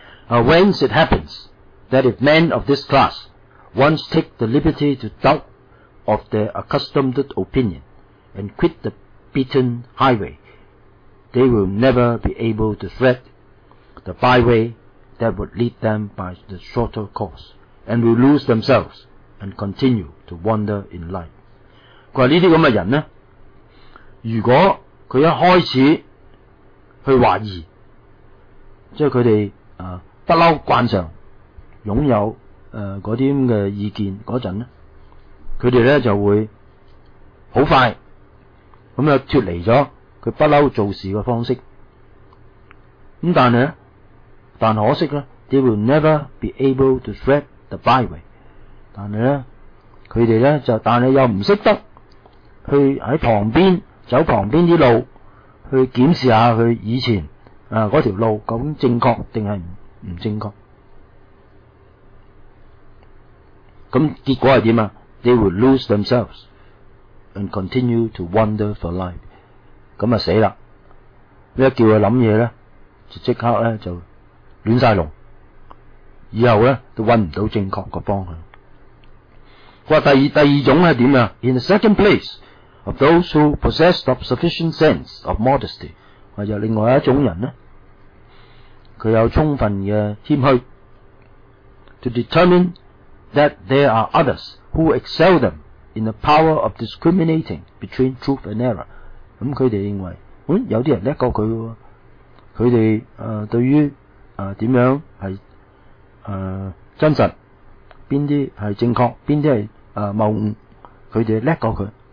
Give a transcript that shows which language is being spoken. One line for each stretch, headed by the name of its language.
English: Whence it happens that if men of this class once take the liberty to doubt of their accustomed opinion and quit the beaten highway, they will never be able to thread the byway that would lead them by the shorter course, and will lose themselves and continue to wander in life。
Cantonese: 他说这些这样的人呢，如果他一开始去怀疑，即是他们不嬲惯常拥有嗰啲咁嘅意见嗰陣呢，佢哋呢就会好快咁就脱离咗佢不嬲做事嘅方式。咁但係呢，但可惜呢，
English: they will never be able to thread the byway。
Cantonese: 但係呢，佢哋呢就但係又唔識得去喺旁边走旁边啲路去检视下佢以前嗰条路究竟正確定係唔正確。咁结果系点啊
English: ？They will lose themselves and continue to wander for life。
Cantonese: 咁啊死啦！一叫佢谂嘢咧，就即刻咧就乱晒龙，以后咧都搵唔到正確个方向。话第二种系点啊
English: ？In the second place of those who possess of sufficient sense of modesty，
Cantonese: 话又另外一种人咧，佢有充分嘅谦虚
English: ，to determine。 That there are others who excel them in the power of discriminating between truth and error。
Cantonese: 咁佢哋认为，有啲人叻过佢喎。佢哋對於點樣係真實，邊啲係正確，邊啲係謬誤，佢哋叻過佢。